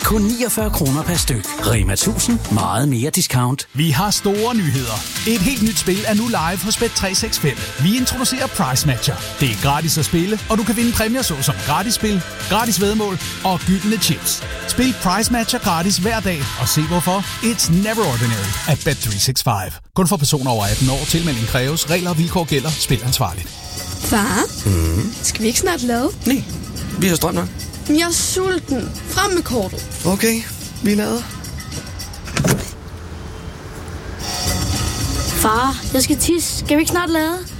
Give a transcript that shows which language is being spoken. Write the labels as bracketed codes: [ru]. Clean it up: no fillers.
[da] Kun 49 kroner per styk. Rema 1000, meget mere discount. Vi har store nyheder. Et helt nyt spil er nu live hos Bet365. Vi introducerer Price Matcher. Det er gratis at spille, og du kan vinde præmier såsom gratis spil, gratis væddemål og gyldne chips. Spil Price Matcher gratis hver dag og se hvorfor. [en] It's never ordinary at Bet365. [da] Kun for personer over 18 år. Tilmelding kræves. Regler og vilkår gælder. Spil ansvarligt. Far? Mm-hmm. Skal vi ikke snart lave? Nej, vi har strøm nok. Jeg er sulten. Frem med kortet. Okay, vi lader. Far, jeg skal tisse. Skal vi ikke snart lade?